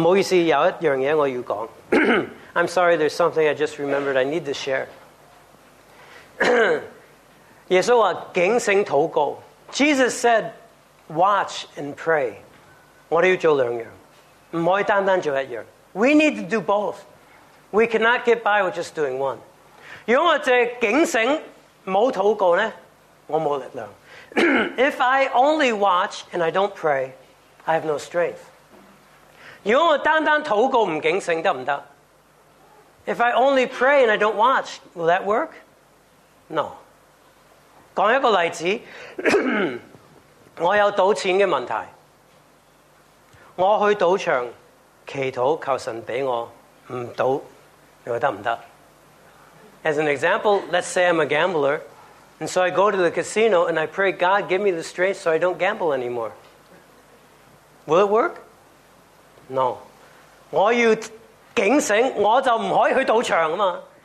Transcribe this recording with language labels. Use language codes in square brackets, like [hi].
[zh] 不好意思，有一样东西我要讲。 [en] I'm sorry, there's something I just remembered I need to share. [zh] 耶稣说警醒祷告。 [en] Jesus said watch and pray. [zh] 我们要做两样，不可以单单做一样。 [en] We need to do both. We cannot get by with just doing one. [zh] 如果我只警醒没祷告呢，我没力量。 [en] If I only watch and I don't pray, I have no strength. [zh] 如果我单单祷告不警醒，行不行？ [en] If I only pray and I don't watch, will that work? No. [zh] 讲一个例子，我有赌钱的问题，我去赌场祈祷求神给我不赌，你说得不得？ [en] As an example, let's say I'm a gambler, and so I go to the casino and I pray, God, give me the strength so I don't gamble anymore. Will it work? No. [zh] 我要警醒，我就不可以去赌场嘛。